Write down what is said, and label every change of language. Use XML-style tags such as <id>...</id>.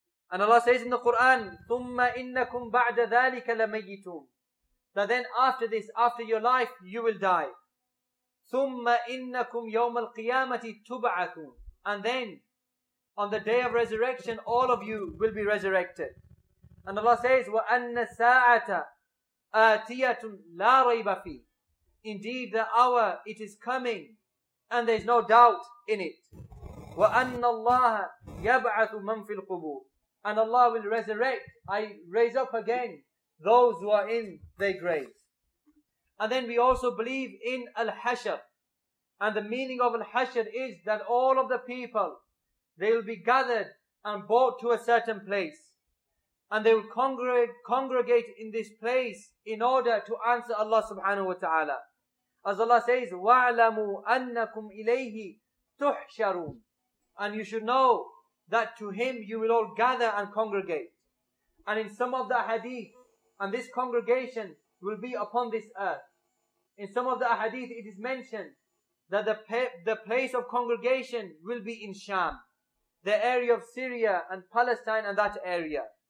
<en>And Allah says in the Quran,</en> <ar>ثُمَّ إِنَّكُمْ بَعْدَ ذَلِكَ لَمَيِّتُونَ.</ar> <en>That then after this, after your life, you will die.</en> <ar>ثُمَّ إِنَّكُمْ يَوْمَ الْقِيَامَةِ تُبْعَثُونَ.</ar> <en>And then, on the day of resurrection, all of you will be resurrected. And Allah says,</en> <ar>وَأَنَّ السَّاعَةَ آتِيَةٌ لَا رَيْبَ فِيهِ.</ar> <en>Indeed, the hour, it is coming, and there is no doubt in it.</en> <ar>وَأَنَّ اللَّهَ يَبْعَثُ مَنْ فِي الْقُبُورِ.</ar> <en>And Allah will resurrect, I raise up again, those who are in their graves. And then we also believe in Al-Hashr. And the meaning of Al-Hashr is that all of the people, they will be gathered and brought to a certain place. And they will congregate in this place in order to answer Allah subhanahu wa ta'ala. As Allah says,</en> <ar>وَعْلَمُوا أَنَّكُمْ إِلَيْهِ تُحْشَرُونَ.</ar> <en>And you should know that to Him you will all gather and congregate. And in some of the hadith, and this congregation will be upon this earth. In some of the hadith it is mentioned that the place of congregation will be in Sham, the area of Syria and Palestine and that area.</en>